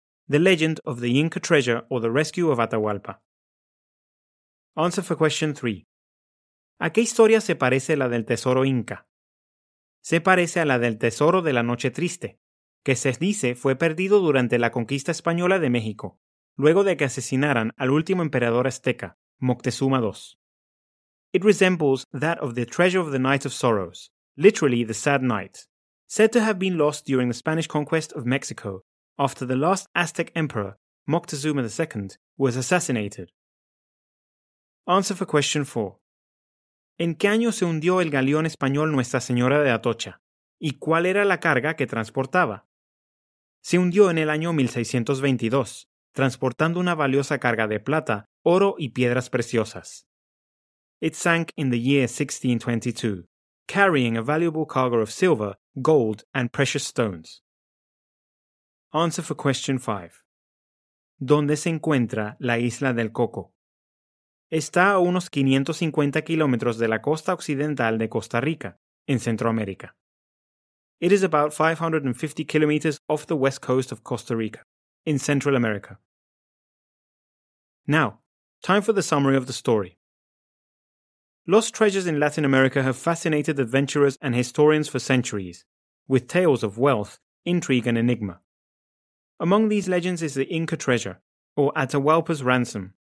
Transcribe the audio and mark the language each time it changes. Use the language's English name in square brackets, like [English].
[English] The legend of the Inca treasure or the rescue of Atahualpa. Answer for question 3. [Spanish] ¿A qué historia se parece la del tesoro inca? Se parece a la del tesoro de la noche triste, que se dice fue perdido durante la conquista española de México, luego de que asesinaran al último emperador azteca, Moctezuma II. [English] It resembles that of the treasure of the Night of Sorrows, literally the Sad Night, said to have been lost during the Spanish conquest of Mexico, after the last Aztec emperor, Moctezuma II, was assassinated. Answer for question 4. [Spanish] ¿En qué año se hundió el galeón español Nuestra Señora de Atocha? ¿Y cuál era la carga que transportaba? Se hundió en el año 1622, transportando una valiosa carga de plata, oro y piedras preciosas. [English] It sank in the year 1622, carrying a valuable cargo of silver, gold and precious stones. Answer for question 5. [Spanish] ¿Dónde se encuentra la Isla del Coco? Está a unos 550 kilómetros de la costa occidental de Costa Rica, en Centroamérica. [English] It is about 550 kilometers off the west coast of Costa Rica, in Central America. Now, time for the summary of the story. Lost treasures in Latin America have fascinated adventurers and historians for centuries, with tales of wealth, intrigue and enigma. Among these legends is the Inca treasure, or Atahualpa's ransom,